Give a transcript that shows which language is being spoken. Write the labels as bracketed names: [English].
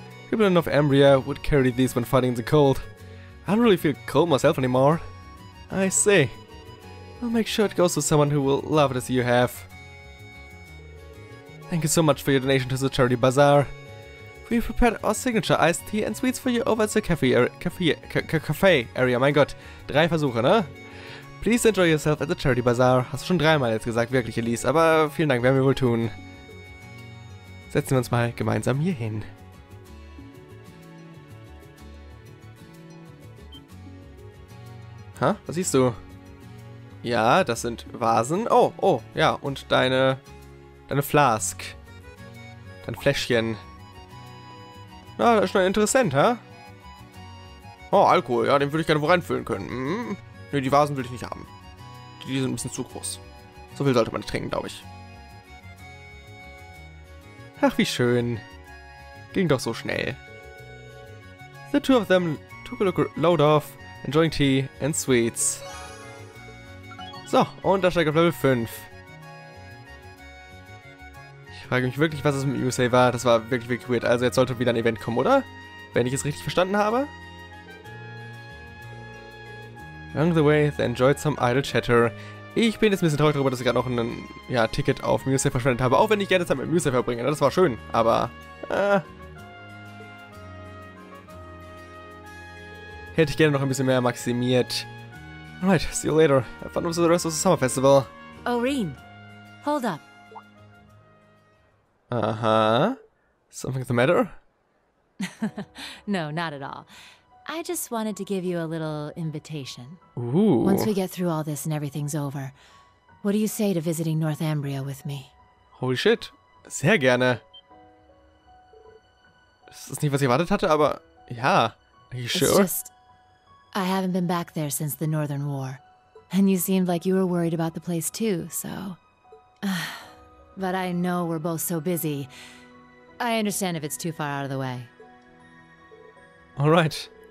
[English] People in North Umbria would carry these when fighting in the cold. I don't really feel cold myself anymore. I see. I'll make sure it goes to someone who will love it as you have. Thank you so much for your donation to the charity bazaar. We've prepared our signature iced tea and sweets for you over at the cafe area. [German] Mein Gott, drei Versuche, ne? [English] Please enjoy yourself at the charity bazaar. [German] Hast du schon dreimal jetzt gesagt, wirklich, Elise. Aber vielen Dank, werden wir wohl tun. Setzen wir uns mal gemeinsam hier hin. Ha? Was siehst du? Ja, das sind Vasen. Oh, ja. Und deine Flask. Dein Fläschchen. Na, das ist schon interessant, ha? Oh, Alkohol. Ja, den würde ich gerne wo reinfüllen können. Ne, die Vasen will ich nicht haben. Die sind ein bisschen zu groß. So viel sollte man nicht trinken, glaube ich. Ach, wie schön. Ging doch so schnell. [English] The two of them took a load off, enjoying tea and sweets. [German] So, und da steigt auf Level 5. Ich frage mich wirklich, was es mit USA war. Das war wirklich, wirklich weird. Also jetzt sollte wieder ein Event kommen, oder? Wenn ich es richtig verstanden habe. [English] Along the way, they enjoyed some idle chatter. [German] Ich bin jetzt ein bisschen traurig darüber, dass ich gerade noch ein Ticket auf Muse verschwendet habe. Auch wenn ich gerne Zeit mit Muse verbringe. Das war schön, aber... Hätte ich gerne noch ein bisschen mehr maximiert. [English] Alright, see you later. Have fun with the rest of the summer festival. Oreen, hold up. Aha. Something the matter? No, not at all. I just wanted to give you a little invitation. Ooh. Once we get through all this and everything's over, what do you say to visiting Northumbria with me? Holy shit. [German] Sehr gerne. Das ist nicht, was ich erwartet hatte, aber ja. [English] Are you sure? It's just, I haven't been back there since the Northern War. And you seemed like you were worried about the place too, so... But I know we're both so busy. I understand if it's too far out of the way. All right.